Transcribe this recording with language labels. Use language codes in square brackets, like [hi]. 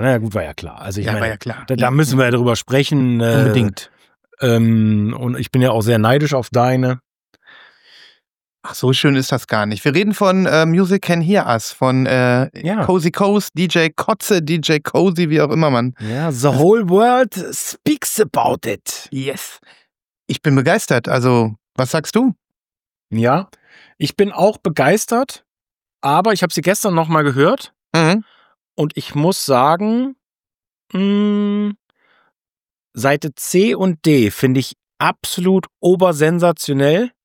[de] Na ja, gut, war ja klar. Also ich war ja klar. Da müssen wir ja drüber sprechen. Unbedingt. Und ich bin ja auch sehr neidisch auf deine. Ach, so schön ist das gar nicht. Wir reden von Music Can Hear Us, von Cozy Coast, DJ Kotze, DJ Cozy, wie auch immer man. [en] Ja, the whole world speaks about it. Yes. [de] Ich bin begeistert. Also, was sagst du? Ja, ich bin auch begeistert, aber ich habe sie gestern nochmal gehört. Und ich muss sagen, Seite C und D finde ich absolut obersensationell.